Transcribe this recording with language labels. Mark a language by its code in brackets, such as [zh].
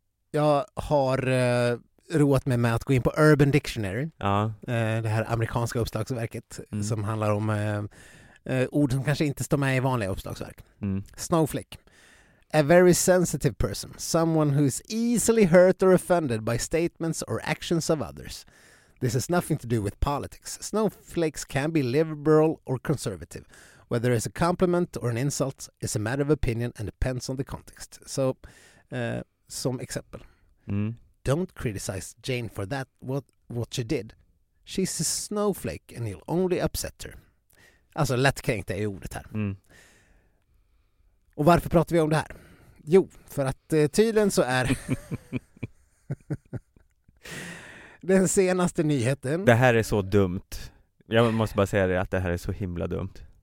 [sv] Jag har roat mig med att gå in på Urban Dictionary. Ja. Det här amerikanska uppslagsverket som handlar om ord som kanske inte står med i vanliga uppslagsverk. Mm. Snowflake. [en] A very sensitive person. Someone who is easily hurt or offended by statements or actions of others. This has nothing to do with politics. Snowflakes can be liberal or conservative. Whether it's a compliment or an insult is a matter of opinion and depends on the context. So, [sv] som exempel. [en] Don't criticize Jane for that, what she did. She's a snowflake and you'll only upset her. [sv] Alltså, lättkränkt är ordet här. Och varför pratar vi om det här? Jo, för att tydligen så är... den senaste nyheten... Det här är så dumt. Jag måste bara säga det, att det här är så himla dumt.